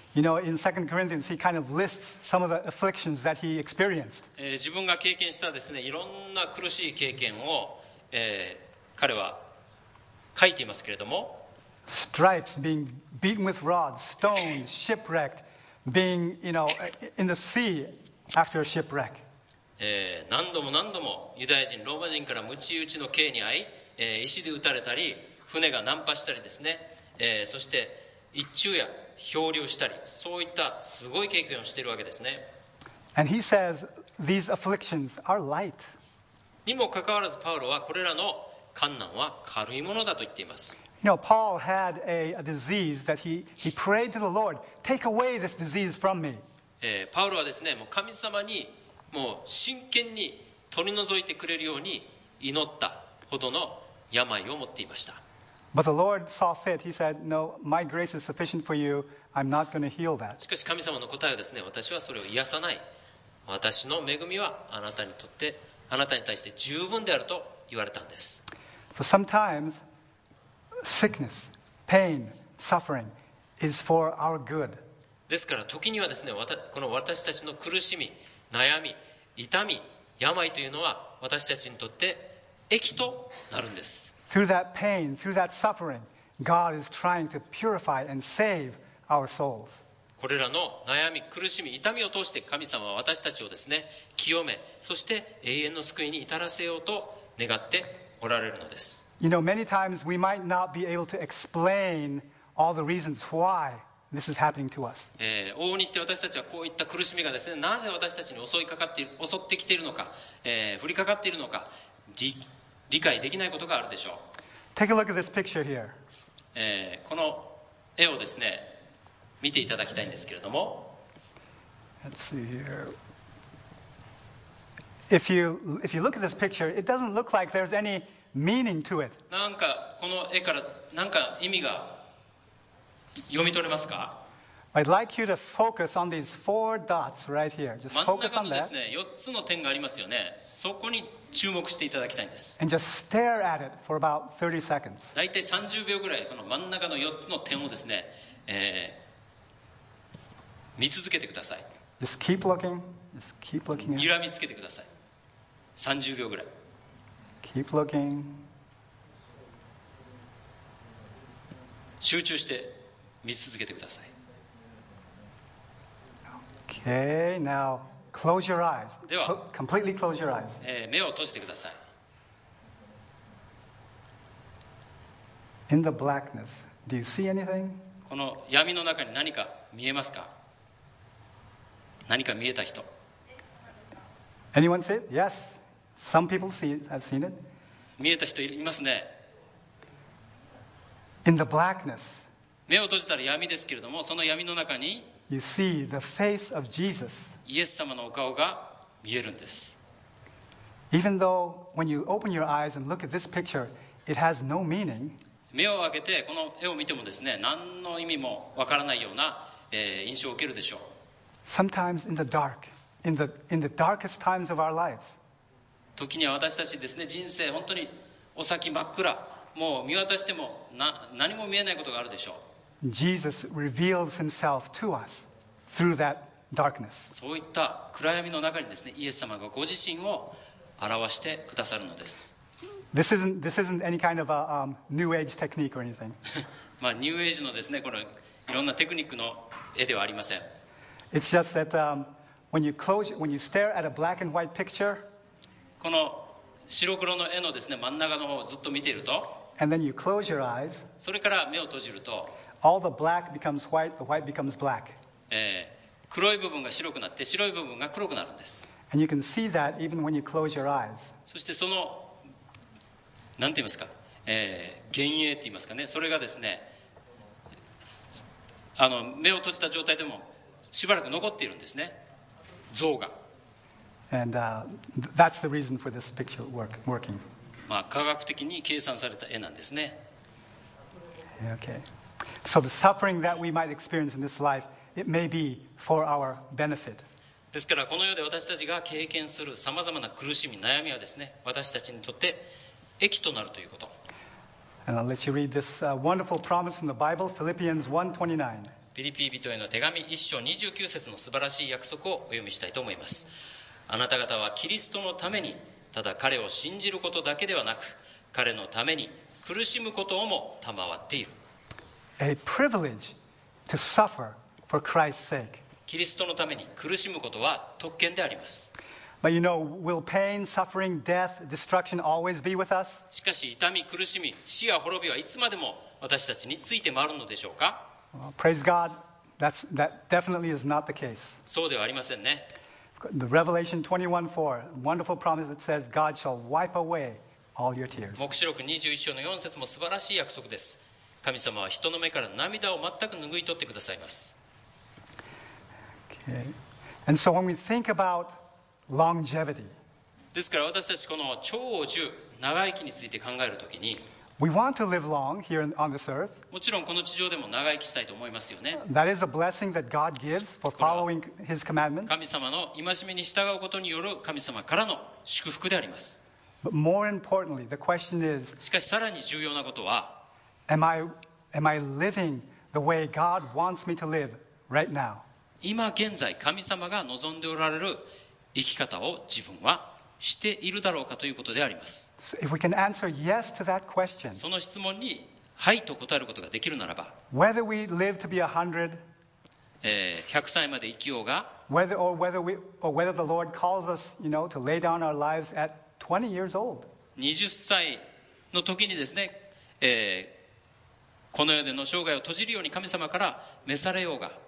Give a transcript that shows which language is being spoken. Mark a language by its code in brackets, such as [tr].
[en] You know, in 2 Corinthians, he kind of lists some of the afflictions that he experienced. [ja] 自分が経験したですね、いろんな苦しい経験を、彼は書いていますけれども、 [en] stripes, being beaten with rods, stones, shipwrecked, being, you know, in the sea after a shipwreck. [ja] 何度も何度もユダヤ人、ローマ人から鞭打ちの刑に遭い、石で打たれたり、船が難破したりですね、そして一昼夜漂流したり、そういったすごい経験をしているわけですね。 [en] And he says, these afflictions are light. [ja] にもかかわらず、パウロはこれらの患難は軽いものだと言っています。 [en] You know, Paul had a disease that he prayed to the Lord, take away this disease from me. [ja] パウロはですね、もう神様にもう真剣に取り除いてくれるように祈ったほどの病を持っていました。 [en] But the Lord saw fit. He said, "No, my grace is sufficient for you. I'm not going to heal that." [ja] しかし神様の答えはですね、私はそれを癒さない。私の恵みはあなたに対して十分であると言われたんです。 [en] So sometimes sickness, pain, suffering is for our good. [ja] ですから時にはですね、この私たちの苦しみ、悩み、痛み、病というのは私たちにとって益となるんです。 [en] Through that pain, through that suffering, God is trying to purify and save our souls. [ja] これらの悩み、苦しみ、痛みを通して神様は私たちをですね、清め、そして永遠の救いに至らせようと願っておられるのです。 [en] You know, many times we might not be able to explain all the reasons why this is happening to us. [ja] 往々にして私たちはこういった苦しみがですね、なぜ私たちに襲ってきているのか、降りかかっているのか、理解できないことがあるでしょう。 [en] Take a look at this picture here. [ja] この絵をですね、見ていただきたいんですけれども。 [en] Let's see here. If you look at this picture, it doesn't look like there's any meaning to it. [ja] なんかこの絵からなんか意味が読み取れますか？ [en] I'd like you to focus on these four dots right here. Just focus on that. [ja] 真ん中のですね、4つの点がありますよね。そこに注目していただきたいんです。 [en] And just stare at it for about 30 seconds. [ja] だいたい30秒ぐらいこの真ん中の4つの点をですね、見続けてください。 [en] Just keep looking. Just keep looking. [ja] にらみつけてください。 30秒ぐらい。 [en] Keep looking. [ja] 集中して見続けてください。 [en] Okay, now close your eyes. [ja] では、 [en] completely close your eyes. [ja] 目を閉じてください。 [en] In the blackness, do you see anything? [ja] この闇の中に何か見えますか？何か見えた人。 [en] Anyone see it? Yes. Some people see it. I've seen it. [ja] 見えた人いますね。 [en] In the blackness. [ja] 目を閉じたら闇ですけれども、その闇の中に。 [en] You see the face of Jesus. [ja] イエス様のお顔が見えるんです。 [en] Even though when you open your eyes and look at this picture, it has no meaning. [ja] 目を開けてこの絵を見てもですね、何の意味もわからないような、印象を受けるでしょう。 [en] Sometimes in the dark, in the darkest times of our lives. [ja] 時には私たちですね、人生本当にお先真っ暗、もう見渡しても何も見えないことがあるでしょう。 [en] Jesus reveals himself to us through that darkness. [ja] そういった暗闇の中にですね、イエス様がご自身を表してくださるのです。 [en] This isn't any kind of a new age technique or anything. [ja] まあ、ニューエイジのですね、このいろんなテクニックの絵ではありません。 [en] It's just that when you stare at a black and white picture, [ja] この白黒の絵のですね、真ん中の方をずっと見ていると、 [en] and then you close your eyes, [ja] それから目を閉じると、 [en] all the black becomes white, the white becomes black. [ja] 黒い部分が白くなって、白い部分が黒くなるんです。 [en] And you can see that even when you close your eyes. [ja] そしてその、なんて言いますか、幻影って言いますかね、それがですね、目を閉じた状態でも、しばらく残っているんですね、像が。 [en] And that's the reason for this picture working. [ja] まあ、科学的に計算された絵なんですね。 [en] Okay. So the suffering that we might experience in this life, it may be for our benefit. [ja] ですから、この世で私たちが経験するさまざまな苦しみ、悩みはですね、私たちにとって益となるということ。 [en] And I'll let you read this wonderful promise from the Bible, Philippians 1:29. [ja] フィリピ人への手紙1章29節の素晴らしい約束をお読みしたいと思います。あなた方はキリストのためにただ彼を信じることだけではなく彼のために苦しむことをも賜っている。 [en] A privilege to suffer for Christ's sake. [ja] キリストのために苦しむことは特権であります。 [en] But you know, will pain, suffering, death, destruction always be with us? [ja] しかし痛み苦しみ死や滅びはいつまでも私たちについて回るのでしょうか。 [en] Well, praise God, that definitely is not the case. [ja] そうではありませんね。 [en] The Revelation 21:4, wonderful promise that says God shall wipe away all your tears. [ja] 黙示録21章の4節も素晴らしい約束です。神様は人の目から涙を全く拭い取ってくださいます。 [en] Okay. And so when we think about longevity, [ja] ですから私たちこの長寿、長生きについて考えるときに、 [en] We want to live long here on this earth. [ja] もちろんこの地上でも長生きしたいと思いますよね。 [en] That is a blessing that God gives for following His commandments. [ja] 神様の戒めに従うことによる神様からの祝福であります。 [en] But more importantly, the question is, [ja] しかしさらに重要なことは、 [en] Am I living the way God wants me to live right now? [ja] 今現在神様が望んでおられる生き方を自分はしているだろうかということであります。 [en] So if we can answer yes to that question, [ja] その質問にはいと答えることができるならば、 [en] whether we live to be 100, [ja] 100歳まで生きようが、 [en] 20 [ja] 歳の時にですね、この世での生涯を閉じるように神様から召されようが、